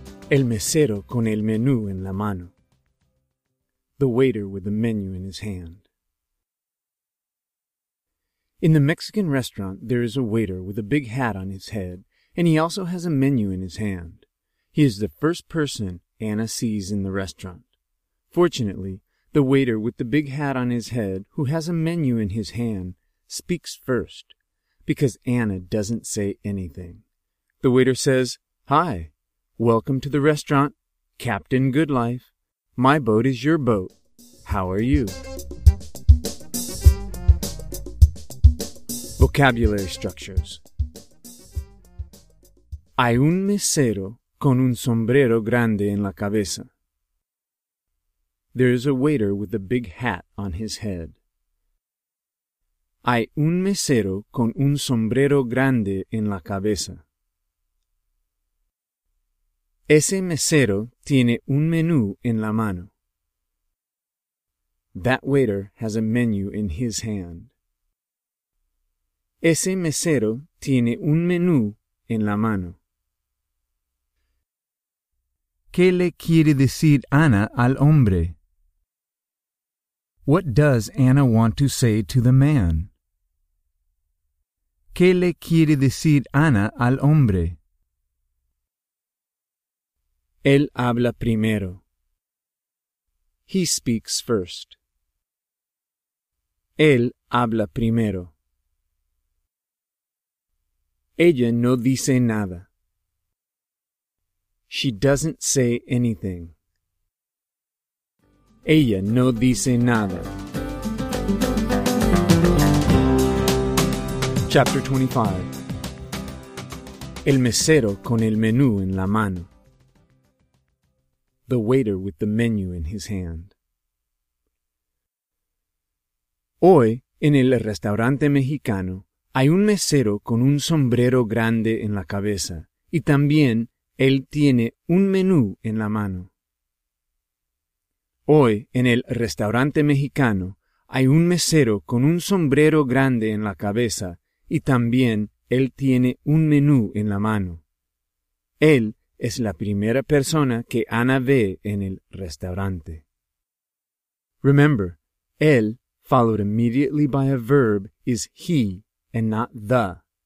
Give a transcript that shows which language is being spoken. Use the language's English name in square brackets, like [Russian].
[Spanish] El mesero con el menú en la mano. [English] The waiter with the menu in his hand. In the Mexican restaurant, there is a waiter with a big hat on his head, and he also has a menu in his hand. He is the first person Anna sees in the restaurant. Fortunately, the waiter with the big hat on his head, who has a menu in his hand, speaks first, because Anna doesn't say anything. The waiter says, "Hi, welcome to the restaurant, Captain Goodlife. My boat is your boat. How are you?" Vocabulary structures. [Spanish] Hay un mesero con un sombrero grande en la cabeza. [English] There is a waiter with a big hat on his head. [Spanish] Hay un mesero con un sombrero grande en la cabeza. Ese mesero tiene un menú en la mano. [English] That waiter has a menu in his hand. [Spanish] Ese mesero tiene un menú en la mano. ¿Qué le quiere decir Ana al hombre? [English] What does Anna want to say to the man? [Spanish] ¿Qué le quiere decir Ana al hombre? Él habla primero. [English] He speaks first. [Spanish] Él habla primero. Ella no dice nada. [English] She doesn't say anything. [Spanish] Ella no dice nada. [English] Chapter 25. [Spanish] El mesero con el menú en la mano. [English] The waiter with the menu in his hand. [Spanish] Hoy, en el restaurante mexicano, hay un mesero con un sombrero grande en la cabeza, y también él tiene un menú en la mano. Hoy, en el restaurante mexicano, hay un mesero con un sombrero grande en la cabeza, y también él tiene un menú en la mano. Él es la primera persona que Ana ve en el restaurante. [English] Remember, él, followed immediately by a verb, is he and not the.